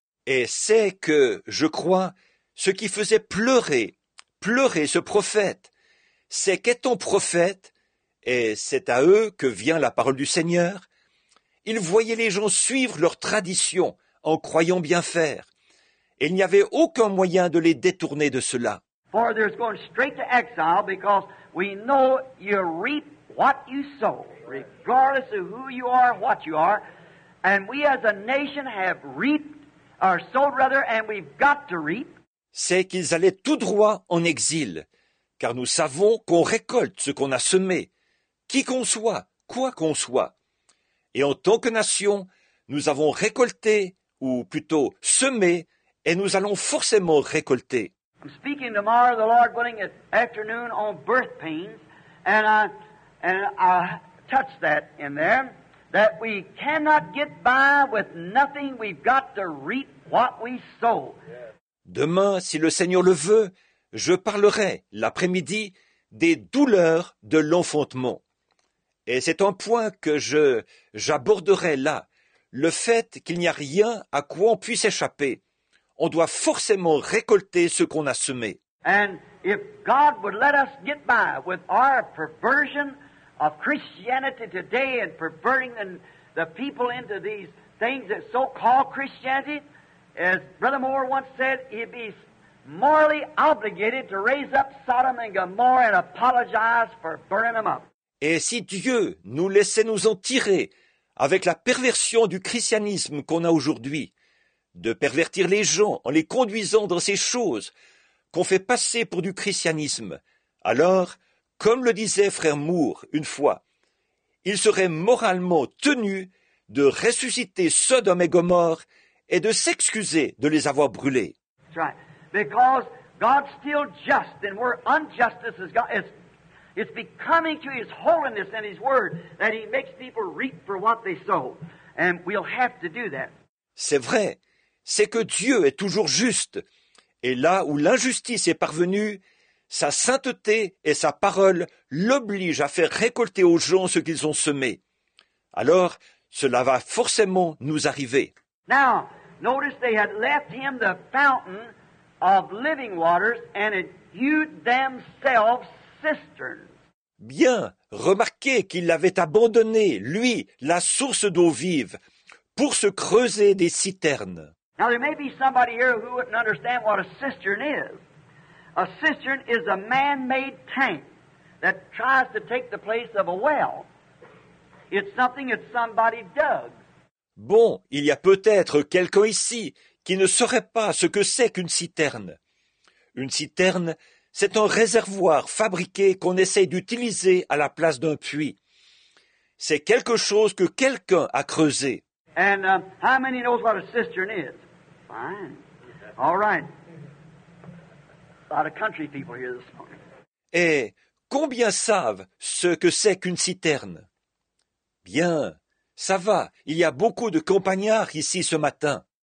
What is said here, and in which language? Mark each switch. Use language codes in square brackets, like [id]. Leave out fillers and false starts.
[fr] Et c'est que, je crois, ce qui faisait pleurer ce prophète, c'est qu'étant prophète, et c'est à eux que vient la parole du Seigneur, ils voyaient les gens suivre leurs traditions en croyant bien faire. Et il n'y avait aucun moyen de les détourner de cela. [en] For there's going straight to exile because we know you reap what you sow, regardless of who you are and what you are. And we as a nation have reaped, or sowed rather, and we've got to reap. [fr] C'est qu'ils allaient tout droit en exil, car nous savons qu'on récolte ce qu'on a semé, qui qu'on soit, quoi qu'on soit. Et en tant que nation, nous avons récolté, ou plutôt semé, et nous allons forcément récolter. [en] I'm speaking tomorrow, the Lord willing, at afternoon on birth pains, and I touch that in there, that we cannot get by with nothing, we've got to reap what we sow. Yeah. [fr] Demain, si le Seigneur le veut, je parlerai, l'après-midi, des douleurs de l'enfantement. Et c'est un point que j'aborderai là, le fait qu'il n'y a rien à quoi on puisse échapper. On doit forcément récolter ce qu'on a semé. [en] And if God would let us get by with our perversion of Christianity today and perverting the people into these things that so-called Christianity, as Brother Moore once said, he'd be morally obligated to raise up Sodom and Gomorrah and apologize for burning them up. [fr] Et si Dieu nous laissait nous en tirer avec la perversion du christianisme qu'on a aujourd'hui, de pervertir les gens en les conduisant dans ces choses qu'on fait passer pour du christianisme, alors, comme le disait frère Moore une fois, il serait moralement tenu de ressusciter Sodome et Gomorrhe et de s'excuser de les avoir brûlés. [en] That's right. Because God's still just and we're unjust as God. It's becoming to His holiness and His word that He makes people reap for what they sow. And we'll have to do that. [fr] C'est vrai. C'est que Dieu est toujours juste. Et là où l'injustice est parvenue, sa sainteté et sa parole l'obligent à faire récolter aux gens ce qu'ils ont semé. Alors, cela va forcément nous arriver. [en] Now, notice they had left him the fountain of living waters and had hewed themselves cisterns. [fr] Bien, remarquez qu'il avait abandonné, lui, la source d'eau vive, pour se creuser des citernes. [en] Now, there may be somebody here who wouldn't understand what a cistern is. A cistern is a man-made tank that tries to take the place of a well. It's something that somebody dug. [fr] Bon, il y a peut-être quelqu'un ici qui ne saurait pas ce que c'est qu'une citerne. Une citerne, c'est un réservoir fabriqué qu'on essaie d'utiliser à la place d'un puits. C'est quelque chose que quelqu'un a creusé. [en] And how many knows what a cistern is? Fine. All right. A lot of country people here this morning. [fr] Et combien savent ce que c'est qu'une citerne? Bien, ça va. Il y a beaucoup de campagnards ici ce matin.